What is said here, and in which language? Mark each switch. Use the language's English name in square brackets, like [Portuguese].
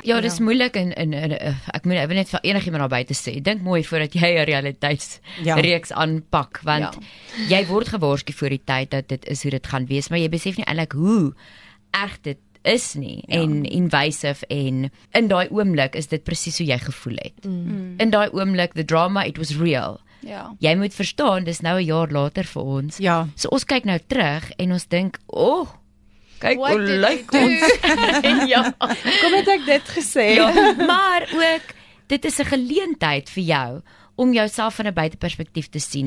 [Afrikaans] Ja, dis moeilik ek wil net vir enigiemand daar buite sê, dink mooi voordat jy 'n realiteitsreeks aanpak, want jy word gewaarsku voor die tyd dat dit is hoe dit gaan wees, maar jy besef nie eintlik hoe erg dit is nie, en invasive, en in daai oomblik is dit presies hoe jy gevoel het. Mm. In daai oomblik, [English] the drama, it was real. Yeah. [Afrikaans] Jy moet verstaan, dis nou 'n jaar later vir ons. Ja. So ons kyk nou terug, en ons dink, oh, kyk hoe lyk ons. Ja. Kom het ek dit gesê? Ja. Maar ook, dit is 'n geleentheid vir jou, om jouself van 'n buiteperspektief te sien.